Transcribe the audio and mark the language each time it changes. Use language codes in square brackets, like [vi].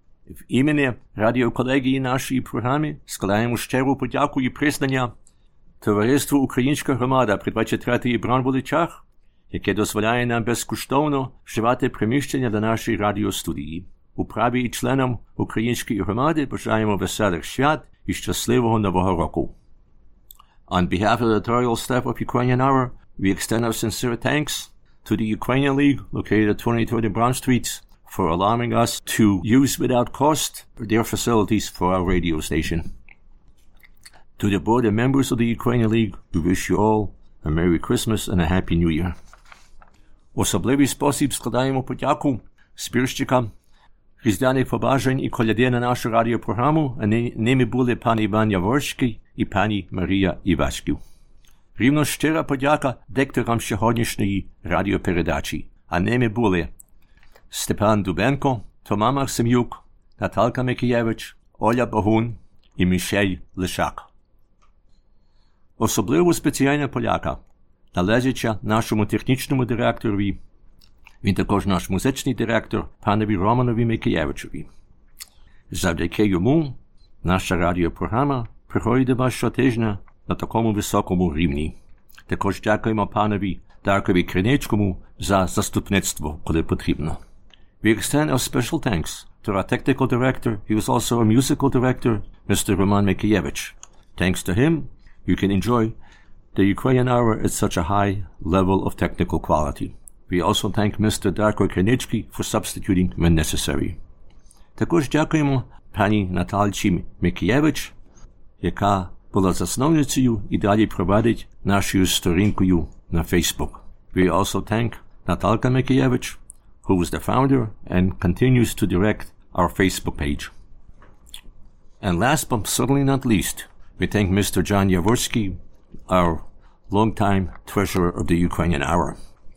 [uk] В імені радіоколегії нашої програми складаємо щиру подяку і признання Товариству «Українська громада» при 23-й Бранволичах, яке дозволяє нам безкоштовно вживати приміщення для нашої радіостудії. Управі і членам української громади бажаємо веселих свят і щасливого Нового року. [en] On behalf of the editorial staff of Ukrainian Hour, we extend our sincere thanks to the Ukrainian League, located at 2030 Bronx Street, for allowing us to use without cost their facilities for our radio station. To the board and members of the Ukrainian League, we wish you all a Merry Christmas and a Happy New Year. [uk] Особливий спосіб складаємо подяку збірщикам різдвяних побажань і коляди на нашу радіопрограму, а ними були пан Іван Яворський і пані Марія Івашків. Рівно щира подяка дикторам сьогоднішньої радіопередачі, а ними були Степан Дубенко, Тома Максим'юк, Наталка Микієвич, Оля Богун і Мішель Лишак. Особливо спеціальна подяка належить нашому технічному директорові, він також наш музичний директор, панові Романові Микієвичові. Завдяки йому наша радіопрограма приходить до вас щотижня на такому високому рівні. Також дякуємо панові Даркові Криничкому за заступництво, коли потрібно. [en] We extend our special thanks to our technical director, he was also our musical director, Mr. Roman Mikhayevich. Thanks to him, you can enjoy the Ukrainian Hour at such a high level of technical quality. We also thank Mr. Darko Krenichki for substituting when necessary. [uk] Також дякуємо пані Наталчі Микієвич, яка була засновницею і далі проводить нашою сторінкою на Facebook. [en] We also thank Наталка Микієвич, who was the founder and continues to direct our Facebook page. And last but certainly not least, we thank Mr. John Yavorsky, our longtime treasurer of the Ukrainian Hour.